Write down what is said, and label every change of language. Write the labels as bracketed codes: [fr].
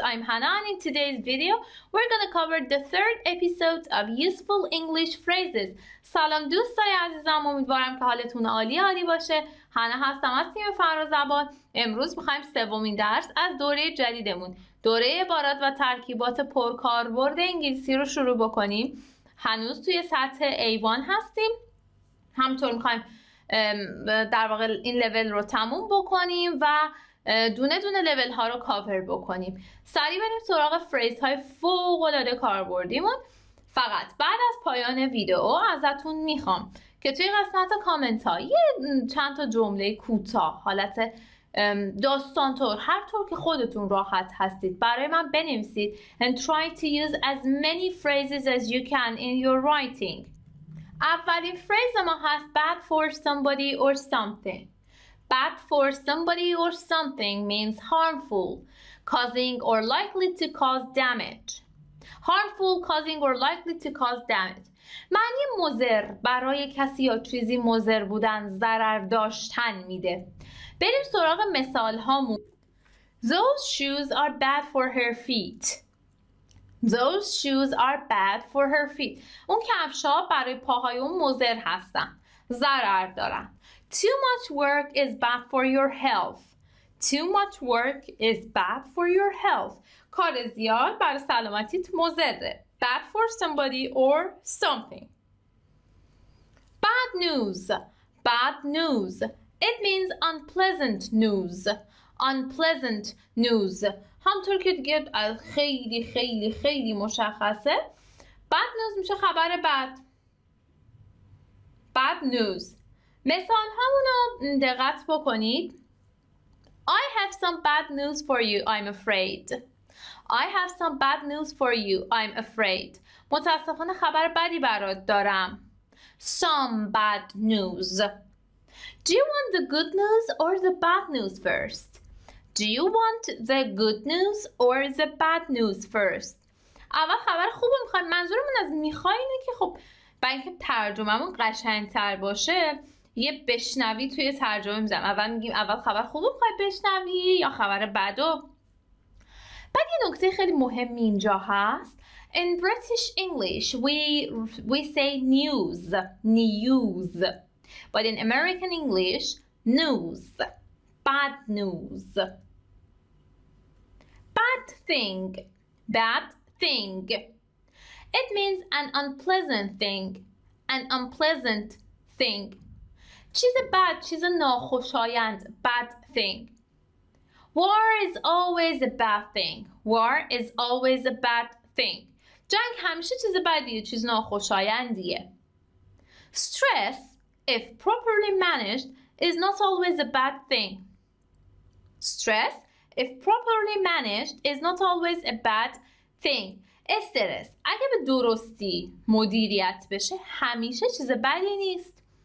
[en] I'm Hannah and in today's video, we're going to cover the third episode of Useful English Phrases. [fa] سلام دوستای عزیزم، امیدوارم که حالتون عالی باشه. هانه هستم از تیم فرا زبان. امروز می‌خوایم سومین درس از دوره جدیدمون، دوره عبارات و ترکیبات پرکاربرد انگلیسی رو شروع بکنیم. هنوز توی سطح A1 هستیم. همطور می‌خوایم در واقع این لول رو تموم بکنیم و دونه دونه لول ها رو کاور بکنیم. سریع بریم سراغ فریز های فوق العاده کاربردیمون. فقط بعد از پایان ویدیو ازتون میخوام که توی قسمت کامنت ها یه چند تا جمله کوتاه، حالت داستان طور، هر طور که خودتون راحت هستید برای من بنویسید. [en] And try to use as many phrases as you can in your writing. [fa] اولین فریز ما هست [en] bad for somebody or something. Bad for somebody or something means harmful, causing or likely to cause damage. Harmful, causing or likely to cause damage. [fa] معنی مضر، برای کسی یا چیزی مضر بودن، ضرر داشتن میده. بریم سراغ مثال هامون. [en] Those shoes are bad for her feet. Those shoes are bad for her feet. [fa] اون کفش ها برای پاهای اون مضر هستن، ضرر دارن. [en] Too much work is bad for your health. Too much work is bad for your health. [fa] کار زیاد برای سلامتیت مضره. [en] Bad for somebody or something. Bad news. Bad news. It means unpleasant news. Unpleasant news. [fa] همطور که دیگه خیلی خیلی خیلی مشخصه، bad news میشه خبر بد. [en] Bad news. [fa] مثال همونو دقت بکنید. [en] I have some bad news for you, I'm afraid. I have some bad news for you, I'm afraid. [fa] متاسفانه خبر بدی برات دارم. [en] Some bad news. Do you want the good news or the bad news first? Do you want the good news or the bad news first? [fa] اول خبر خوبو میخوای. منظورمون از میخوای اینه که خب برای اینکه ترجمه‌مون قشنگ‌تر باشه یه بشنوی توی ترجمه میزم. اول میگیم اول خبر خوب رو میخوای بشنوی یا خبر بد رو. بعد یه نکته خیلی مهمی اینجا هست. [en] In British English we say news. News. But in American English news. Bad news. Bad thing. Bad thing. It means an unpleasant thing. An unpleasant thing. [fa] چیز بد، چیز ناخوشایند، [en] bad thing. War is always a bad thing. War is always a bad thing. [fa] جنگ همیشه چیز بدیه، چیز ناخوشایندیه. [en] Stress, if properly managed, is not always a bad thing. Stress, if properly managed, is not always a bad thing. [fa] استرس، اگه به درستی مدیریت بشه، همیشه چیز بدی نیست.